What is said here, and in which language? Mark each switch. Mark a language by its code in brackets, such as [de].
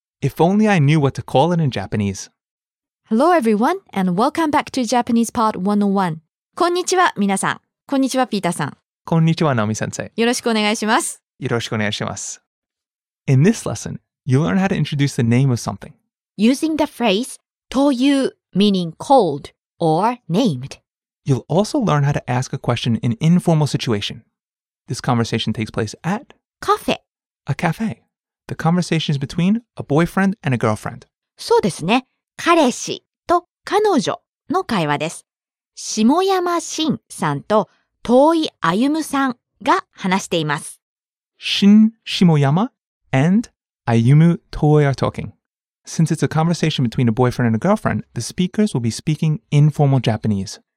[en] If only I knew what to call it in Japanese. Hello everyone and welcome back to Japanese Part 101. [ja] こんにちは皆さん。こんにちは Peter さん。こんにちはナオミ先生。よろしくお願いします。よろしくお願いします。 [en] In this lesson, you learn how to introduce the name of something using the phrase という meaning called or named. You'll also learn how to ask a question in informal situation. This conversation takes place at... Cafe. A cafe. The conversation is between a boyfriend and a girlfriend. [ja] そうですね。彼氏と彼女の会話です。下山慎さんと遠い歩さんが話しています。 [en] Shin Shimoyama and Ayumu Toi are talking. Since it's a conversation between a boyfriend and a girlfriend, the speakers will be speaking informal Japanese.